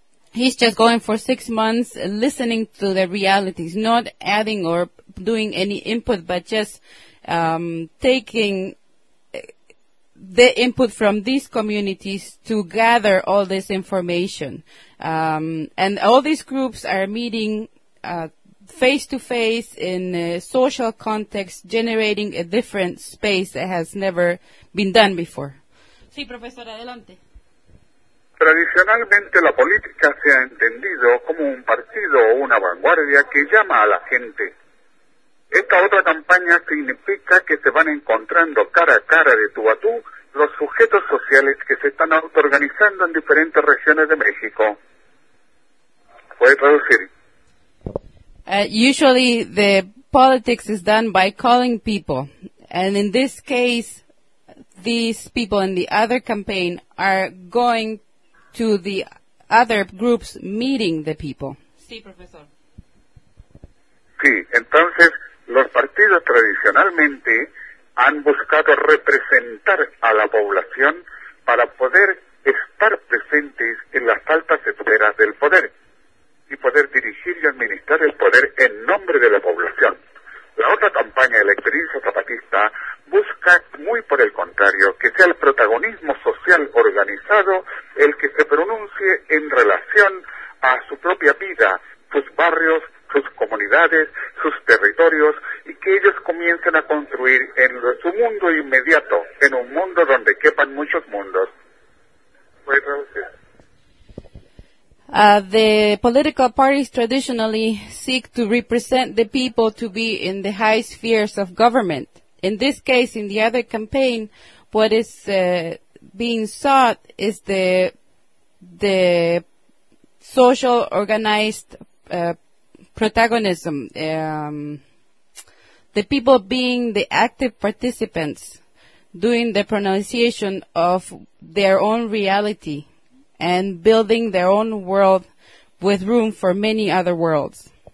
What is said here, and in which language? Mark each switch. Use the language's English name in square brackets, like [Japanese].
[English] He's just going for 6 months listening to the realities, not adding or doing any input, but just taking the input from these communities to gather all this information. And all these groups are meeting face-to-face in a social context, generating a different space that has never been done before. [Spanish] Sí, profesor, adelante. Tradicionalmente, la política se ha entendido como un partido o una vanguardia que llama a la gente. Esta otra campaña significa que se van encontrando cara a cara, de tú a tú, los sujetos sociales que se están autoorganizando en diferentes regiones de México. ¿Puede traducir? [English] Usually the politics is done by calling people, and in this case, these people in the other campaign are going to the other groups meeting the people. [Spanish] Sí, profesor. Sí, entonces los partidos tradicionalmente han buscado representar a la población para poder estar presentes en las altas esferas del poder y poder dirigir y administrar el poder en nombre de la población. La otra campaña de la experiencia zapatista busca, muy por el contrario, que sea el protagonismo social organizado el que se pronuncie en relación a su propia vida, sus barrios, sus comunidades, sus territorios, y que ellos comiencen a construir en su mundo inmediato, en un mundo donde quepan muchos mundos. [English] The political parties traditionally seek to represent the people to be in the high spheres of government. In this case, in the other campaign, what is being sought is the social organized protagonism, the people being the active participants, doing the pronunciation of their own reality and building their own world with room for many other worlds.